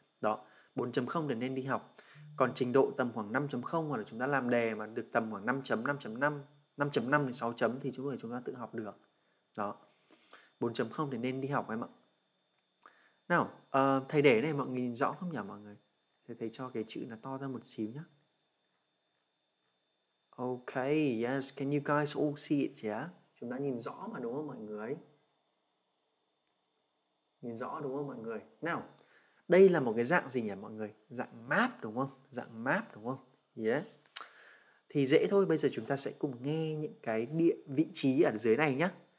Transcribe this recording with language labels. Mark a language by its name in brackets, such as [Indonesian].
[Vietnamese] Đó, 4.0 thì nên đi học. Còn trình độ tầm khoảng 5.0 hoặc là chúng ta làm đề mà được tầm khoảng 5.5.5, 5.5 đến 6 chấm thì chúng ta tự học được. Đó, 4.0 thì nên đi học em ạ. Nào, thầy để này mọi người nhìn rõ không nhỉ mọi người? Thầy cho cái chữ nó to ra một xíu nhé. [English] Ok, yes, can you guys all see it, yeah? [Vietnamese] Chúng ta nhìn rõ mà đúng không mọi người? Nhìn rõ đúng không mọi người? Nào, đây là một cái dạng gì nhỉ mọi người? Dạng map đúng không? Dạng map đúng không? Yeah. Thì dễ thôi, bây giờ chúng ta sẽ cùng nghe những cái địa vị trí ở dưới này nhé.